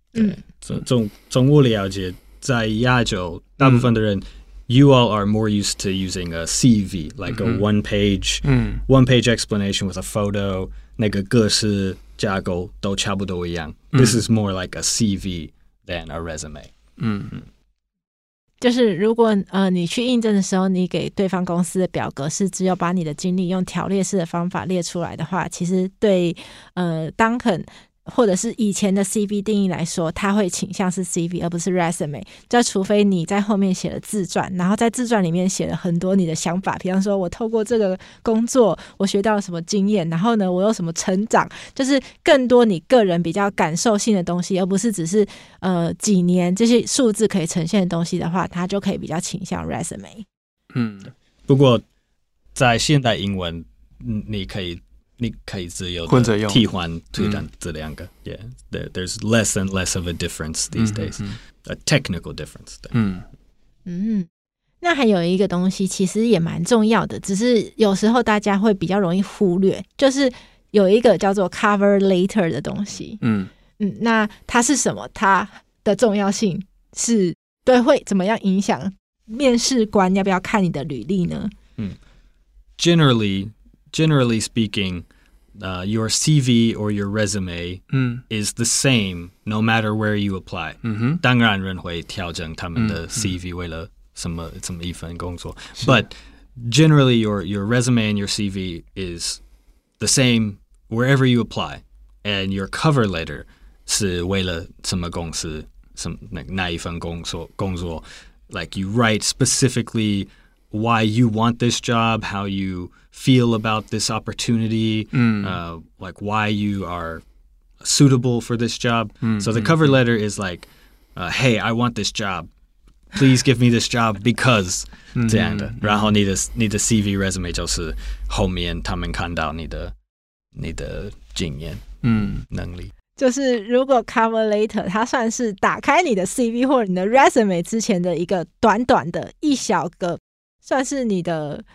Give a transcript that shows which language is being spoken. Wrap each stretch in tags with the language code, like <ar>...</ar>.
<zh>嗯，从我了解，在亚洲大部分的人、</zh> <en>嗯、，you all are more used to using a CV like a one page explanation with a photo，</en> <zh>那个格式架构都差不多一样、嗯、</zh> <en>，this is more like a CV than a resume。嗯，</en> <zh>就是如果你去应征的时候，你给对方公司的表格是只有把你的经历用条列式的方法列出来的话，其实对当肯或者是以前的 CV 定义来说，他会倾向是 CV 而不是 resume。就除非你在后面写了自传，然后在自传里面写了很多你的想法，比方说我透过这个工作我学到了什么经验，然后呢我有什么成长，就是更多你个人比较感受性的东西，而不是只是几年这些数字可以呈现的东西的话，他就可以比较倾向 resume。嗯，不过在现代英文，你可以自由的替换这两个、嗯、</zh> <en>yeah, There's less and less of a difference these days、嗯、 A technical difference</en> <zh>对、嗯、那还有一个东西其实也蛮重要的，只是有时候大家会比较容易忽略，就是有一个叫做 cover letter 的东西、嗯嗯、那它是什么，它的重要性是对会怎么样影响面试官要不要看你的履历呢、</zh> <en>嗯、Generally speaking, your CV or your resume、嗯、 is the same no matter where you apply.、嗯、</en> <zh>当然人会调整他们的 CV 为了什么、嗯、什么一份工作。</zh> <en>But generally your resume and your CV is the same wherever you apply, and your cover letter</en> <zh>是为了什么公司</zh> <en>some, like,</en> <zh>哪一份工作</zh> <en>like you write specifically why you want this job, how you feel about this opportunity, like why you are suitable for this job. So the cover letter is like, hey, I want this job. Please give me this job because</en> <zh>这样的。然后你的 CV resume 就是后面他们看到你的经验能力。就是如果 cover letter 它算是打开你的 CV 或者你的 resume 之前的一个短短的一小个，算是你的</zh>